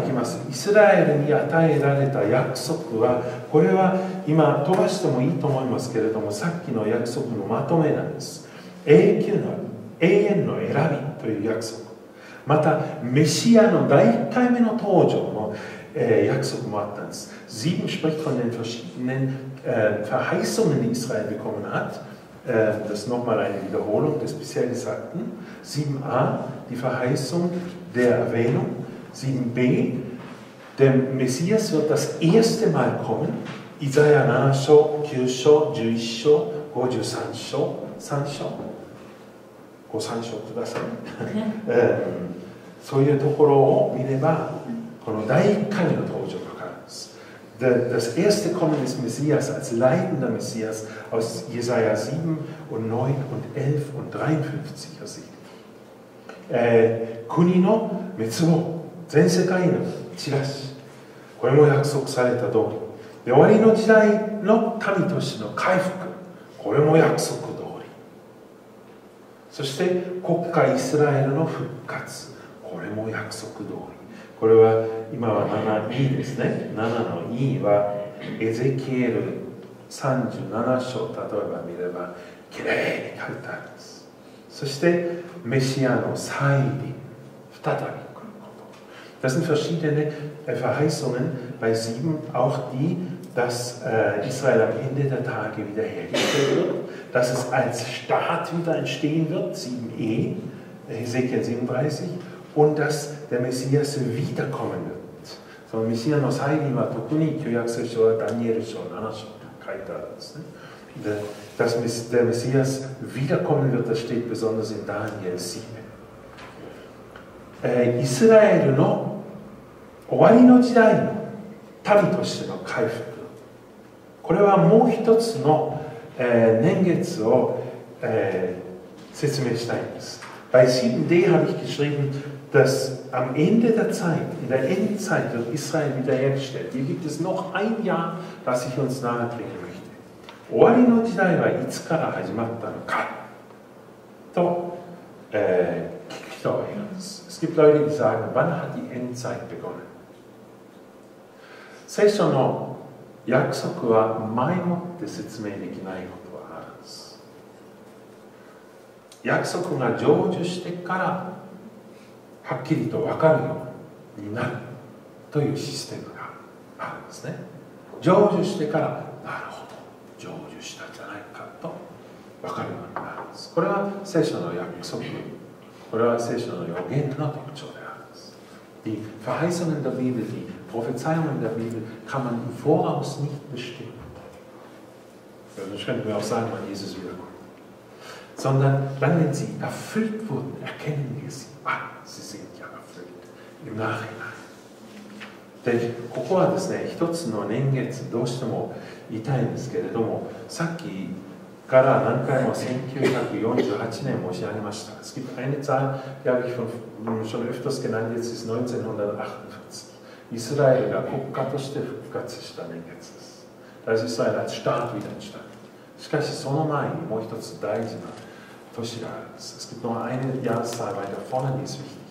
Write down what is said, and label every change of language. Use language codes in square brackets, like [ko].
[ja] 7いきます。イスラエルに与えられた約束は、これは今飛ばしてもいいと思いますけれども、さっきの約束のまとめなんです。永久の永遠の選びという約束、またメシアの第1回目の登場の、約束もあったんです。 [de] 7 spricht von den verschiedenen Verheißungen, die Israel bekommen hat. Das ist nochmal eine Wiederholung des bisher Gesagten. 7a, die Verheißung der Erwähnung. 7b, der Messias wird das erste Mal kommen. [ja] Isaiah 7 章, 9 章, 11 章, 53 章, 3 章, 53 章ください。そういうところを見れば、この第一回の登場。 [de] Das erste Kommen des Messias als leidender Messias aus Jesaja 7 und 9 und 11 und 53 ersichtlich. [ja] Kuni no Metsubo, Zensekai no Chirashi. これも約束された通り。で、終わりの時代の民としての回復。これも約束通り。そして、国家イスラエルの復活。これも約束通り。これは今は 7E ですね。 7E はエゼキエル37章、例えば見ればきれいに書いてあるんです。そしてメシアの再臨、再び来ること。 [de] Das sind verschiedene Verheißungen bei 7, auch die, dass Israel am Ende der Tage wiederhergestellt wird, dass es als Staat wieder entstehen wird, 7E, Ezekiel 37, und dassで、メシアス wiederkommen wird。 [ja] そのメシアの再臨は特に旧約聖書はダニエル書7章と書いてあるんですね。 [de] で、der Messias wiederkommen wird, das steht besonders in Daniel 7。 [ja] イスラエルの終わりの時代の民としての回復。これはもう一つの、年月を、説明したいんです。 [de] Bei 7D habe ich geschrieben,dass am Ende der Zeit, in der Endzeit, wird Israel wiederhergestellt. Hier gibt es noch ein Jahr, das ich uns nahe bringen möchte. [ja] 終わりの時代はいつから始まったのかと、聞く人がいるんです。 [de] Es gibt Leute, die sagen, wann hat die Endzeit begonnen? [ja] 聖書の約束は前もって説明できないことはあるんです。約束が成就してからはっきりと分かるようになるというシステムがあるんですね。成就してから、なるほど、成就したじゃないかと分かるようになるんです。これは聖書の約束、これは聖書の予言の特徴であるんです。 [de] Die Verheißungen der Bibel, die Prophezeiungen der Bibel, kann man im Voraus nicht bestimmen. Das könnten wir auch sagen, wann Jesus wiederkommt. Sondern wenn sie erfüllt wurden, erkennen wir sie. Ah, sie sind ja erfüllt. Im Nachhinein. Denn [ja] ここはですね、一つの年月どうしても言いたいんですけれども、さっきから何回も1948年申し上げました。 [de] Es gibt eine Zahl, die habe ich schon öfters genannt, jetzt ist 1948. [ja] Israel が国家として復活した年月です。 [de] Das ist ein Staat wieder entstanden. [ja] しかしその前にもう一つ大事な年があるんです。 [de] Es gibt noch eine Jahrzahl weiter vorne, die ist wichtig.